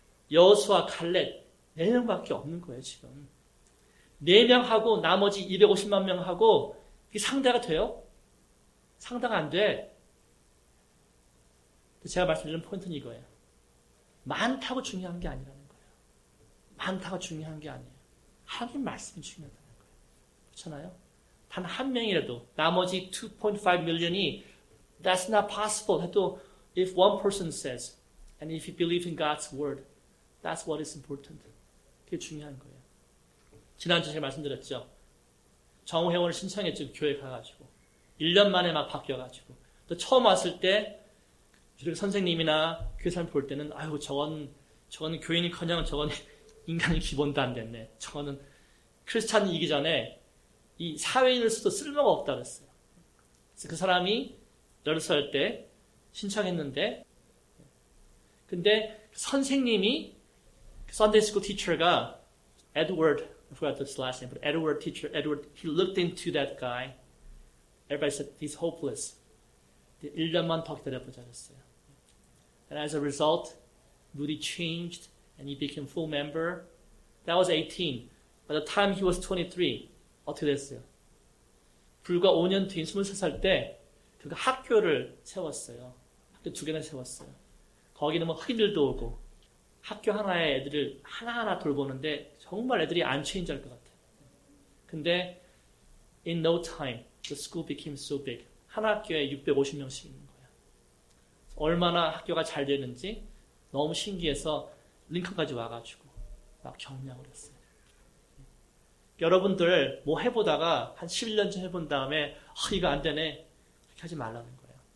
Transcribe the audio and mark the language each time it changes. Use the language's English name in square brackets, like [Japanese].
[Korean] 여호수아, 갈렙 네 명밖에 없는 거예요 지금. 네 명하고 나머지 250만 명하고 이게 상대가 돼요? 상대가 안 돼. 제가 말씀드린 포인트는 이거예요. 많다고 중요한 게 아니라는 거예요. 많다고 중요한 게 아니에요. 하나님 말씀이 중요하다는 거예요. 그렇잖아요? 단 한 명이라도 나머지 2.5 million이 [English] that's not possible 해도 if one person says and if you believe in God's word, that's what is important. [Korean] 그게 중요한 거예요. 지난주에 제가 말씀드렸죠. 정우회원을 신청했죠. 교회에 가가지고. 1년 만에 막 바뀌어가지고. 또 처음 왔을 때, 선생님이나 교사님 볼 때는, 아유, 저건 교인이 커녕 저건 인간이 기본도 안 됐네. 저거는 크리스찬이기 전에 이 사회인을 수도 쓸모가 없다 그랬어요. 그래서 그 사람이 18살 때 신청했는데, 근데 선생님이, 선데이스쿨 티처가, 에드워드, [English] I forgot this last name, but Edward teacher, Edward, he looked into that guy. Everybody said, he's hopeless. [Korean] 1년만 더 기다려보자 그랬어요. [English] And as a result, Moody changed and he became full member. That was 18. By the time he was 23, [Korean] 어떻게 됐어요? 불과 5년 뒤인 23살 때, 그가 학교를 세웠어요. 학교 두 개나 세웠어요. 거기는 뭐 흑인들도 오고, 학교 하나에 애들을 하나하나 돌보는데, 정말 애들이 안 체인지할 것 같아요. 근데, [English] in no time, the school became so big. [Korean] 한 학교에 650명씩 있는 거야. 얼마나 학교가 잘 되는지, 너무 신기해서 링컨까지 와가지고 막 경량을 했어요. 여러분들 뭐 해보다가 한 11년 전 해본 다음에 이거 안 되네 그렇게 하지 말라는 거예요.